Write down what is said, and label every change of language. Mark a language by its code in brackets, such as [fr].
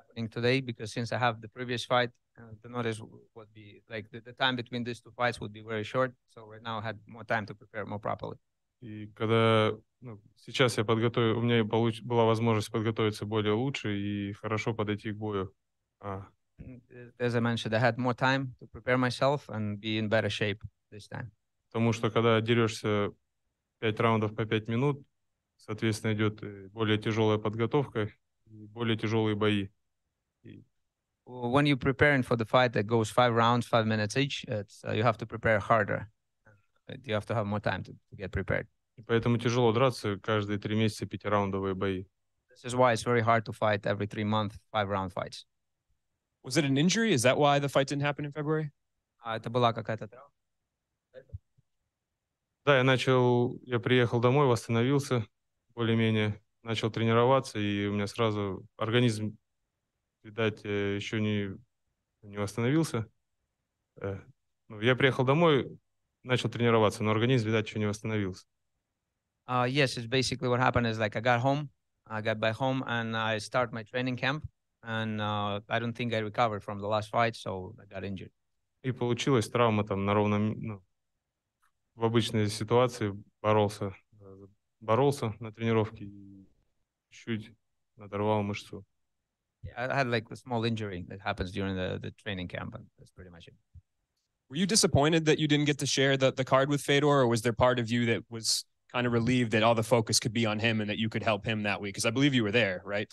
[en] Today, because since I have the previous fight, the notice would be like the time between these two fights would be very short. So right now I had more time to prepare more properly. [ru] И когда ну, сейчас я подготовил, у меня была возможность подготовиться более лучше и хорошо подойти к бою. [en] As I mentioned, I had more time to prepare myself and be in better shape this time. [ru] Потому что когда дерешься 5 раундов по 5 минут, соответственно, идет более тяжелая подготовка и более тяжелые бои. [en] When you're preparing for the fight that goes 5 rounds, 5 minutes each, you have to prepare harder. You have to have more time to get prepared. [ru] И поэтому тяжело драться каждые 3 месяца 5-раундовые бои. [en] This is why it's very hard to fight every 3 months 5-round fights. Was it an injury? Is that why the fight didn't happen in February? [ru] Это была какая-то травма. Да, я приехал домой, восстановился более-менее, начал тренироваться, и у меня сразу организм, видать, еще не восстановился. Я приехал домой, начал тренироваться, но организм, видать, еще не восстановился. [en] Yes, it's basically what happened is like I got home, I got back home and I start my training camp, and I don't think I recovered from the last fight, so I got injured. [ru] И получилась травма там на ровном, ну, в обычной ситуации боролся на тренировке и чуть надорвал мышцу. [en] Yeah, I had like a small injury that happens during the training camp, and that's pretty much it. Were you disappointed that you didn't get to share the card with Fedor, or was there part of you that was kind of relieved that all the focus could be on him and that you could help him that week? Because I believe you were there, right?